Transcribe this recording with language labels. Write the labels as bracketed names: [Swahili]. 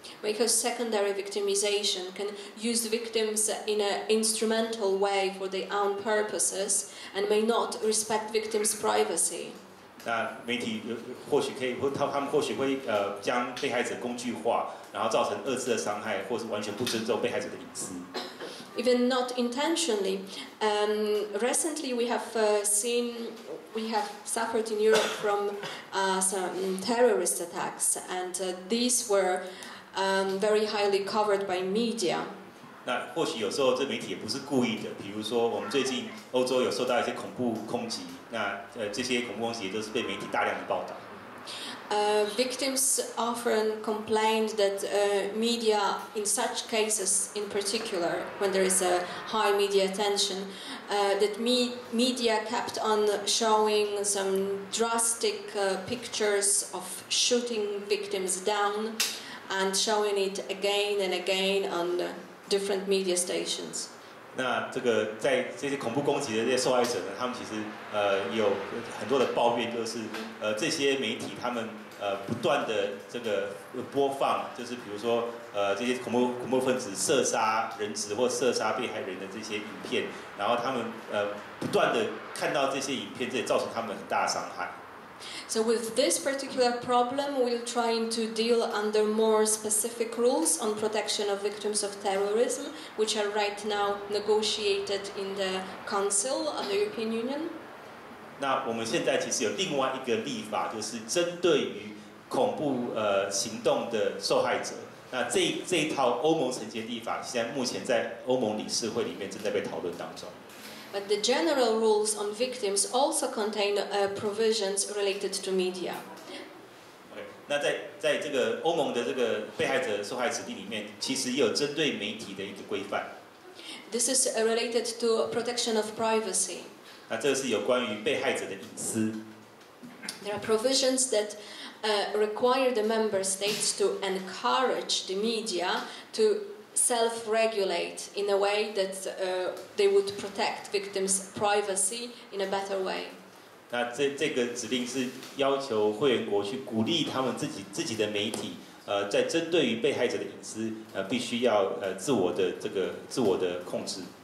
[English] Because secondary victimization can use victims in an instrumental way for their own purposes and may not respect victims' privacy. [Chinese] 那媒体或许可以，或他们或许会将被害者工具化，然后造成二次的伤害，或是完全不尊重被害者的隐私。 [English] Even not intentionally, recently we have suffered in Europe from some terrorist attacks, and these were. Very highly covered by media. [Chinese] 那或许有时候这媒体也不是故意的，比如说我们最近欧洲有受到一些恐怖攻击，那这些恐怖攻击也都是被媒体大量的报道。 [English] Victims often complained that media, in such cases in particular, when there is a high media attention, that media kept on showing some drastic pictures of shooting victims down. And showing it again and again on the different media stations. [Chinese] 那这个在这些恐怖攻击的这些受害者呢，他们其实有很多的抱怨，就是这些媒体他们不断的这个播放，就是比如说这些恐怖分子射杀人质或射杀被害人的这些影片，然后他们不断的看到这些影片，这也造成他们很大的伤害。 [English] So with this particular problem, we're trying to deal under more specific rules on protection of victims of terrorism, which are right now negotiated in the Council of the European Union. [Chinese] 那我们现在其实有另外一个立法，就是针对于恐怖行动的受害者。那这一套欧盟层级立法，现在目前在欧盟理事会里面正在被讨论当中。 [English] But the general rules on victims also contain provisions related to media. [Chinese] Okay, 那在这个欧盟的这个被害者受害指令里面，其实也有针对媒体的一个规范。 [English] This is related to protection of privacy. [Chinese] 那这个是有关于被害者的隐私。 [English] There are provisions that require the member states to encourage the media to self-regulate in a way that they would protect victims' privacy in a better way. [Chinese] 那这个指令是要求会员国去鼓励他们自己的媒体，在针对于被害者的隐私，必须要自我的这个自我的控制。